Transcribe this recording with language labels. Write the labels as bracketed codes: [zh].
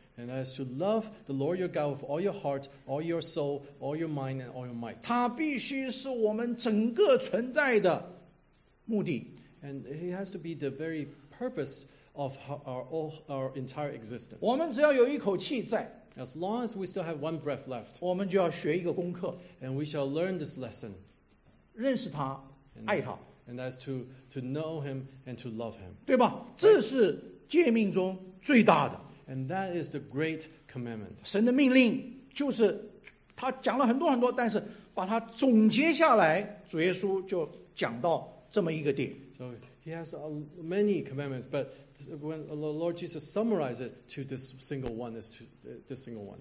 [en] And that is to love the Lord your God with all your heart, all your soul, all your mind, and all your might. [zh] 它必须是我们整个存在的目的。 [en] And he has to be the very purpose of our entire existence. [zh] 我们只要有一口气在, [en] as long as we still have one breath left, [zh] 我们就要学一个功课, [en] and we shall learn this lesson. [zh] 认识他, [en] and, [zh] 爱他, [en] and that's to know him and to love him. [zh] 对吧?这是诫命中最大的, [en] and that is the great commandment. [zh] 神的命令就是, 他讲了很多很多, 但是把它总结下来, 主耶稣就讲到这么一个点。 [en] So he has many commandments, but when the Lord Jesus summarizes it to this single one, is to this single one.